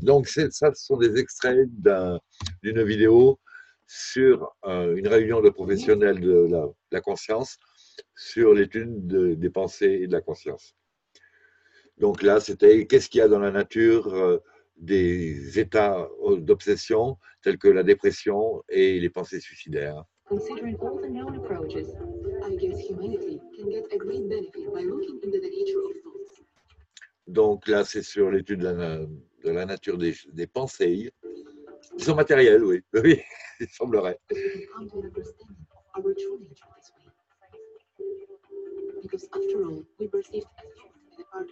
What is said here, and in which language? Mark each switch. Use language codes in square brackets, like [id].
[fr] Donc, ça, ce sont des extraits d'une vidéo sur une réunion de professionnels de la conscience sur l'étude des pensées et de la conscience. Donc là, c'était qu'est-ce qu'il y a dans la nature des états d'obsession tels que la dépression et les pensées suicidaires. [en] Considering all the known approaches, I guess humanity can get a great benefit by looking into the nature of thoughts. [fr] Donc là, c'est sur l'étude de la nature des pensées. Ils sont matériels, oui. Oui, il semblerait. [en] We can come to an understanding of our true nature this way. Because after all, we perceive as thought in the